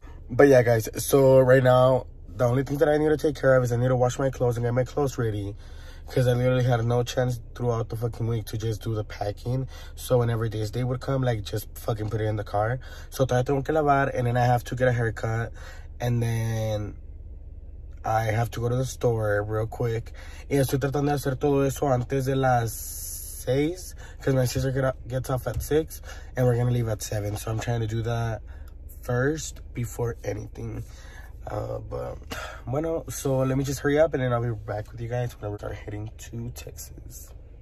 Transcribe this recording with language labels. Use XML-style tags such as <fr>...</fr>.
<en>But yeah, guys, so right now, the only thing that I need to take care of is I need to wash my clothes and get my clothes ready. Because I literally had no chance throughout the fucking week to just do the packing. So whenever this day would come, like, just fucking put it in the car. So</en> <es>todavía tengo que lavar,</es> <en>and then I have to get a haircut. And then I have to go to the store real quick.</en> <es>Y estoy tratando de hacer todo eso antes de las 6.</es> <en>Because my sister gets off at 6, and we're going to leave at 7. So I'm trying to do that first before anything, so let me just hurry up and then I'll be back with you guys when we start heading to Texas.</en>